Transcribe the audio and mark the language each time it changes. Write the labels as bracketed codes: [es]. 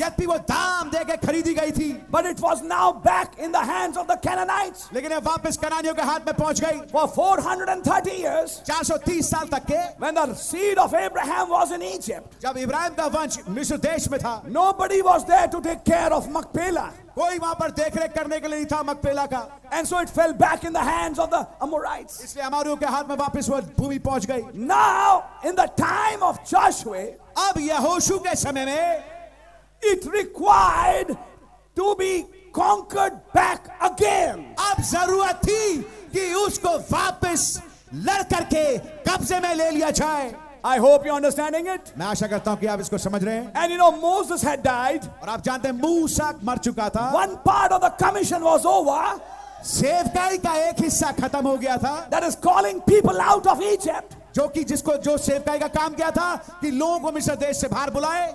[hi] यद भी वो दाम देके खरीदी गई थी. [en] But it was now back in the hands of the Canaanites. [hi] लेकिन ये वापस कनानियों के हाथ में पहुंच गई. [en] For 430 years. [hi] 430 साल तक के. [en] When the seed of Abraham was in Egypt. [hi] जब इब्राहिम का वंश मिस्र देश में था. [en] Nobody was there to take care of Machpelah. [hi] कोई वहां पर देखरेख करने के लिए नहीं था मकपेला का [en] and so it fell back in the hands of the Amorites [hi] इसलिए अमोरियों के हाथ में वापस वह भूमि पहुंच गई [en] now in the time of Joshua [hi] अब यहोशू के समय में [en] it required to be conquered back again [hi] अब जरूरत थी कि उसको वापस लड़ करके कब्जे में ले लिया जाए [en] I hope you're understanding it. [hi] मैं आशा करता हूँ कि आप इसको समझ रहे हैं. [en] And you know Moses had died. [hi] और आप जानते हैं मूसा मर चुका था. [en] One part of the commission was over. [hi] सेवकाई का एक हिस्सा खत्म हो गया था. [en] That is calling people out of Egypt. [hi] जो कि जिसको जो सेवकाई का काम किया था कि लोगों को मिस्र देश से बाहर बुलाए.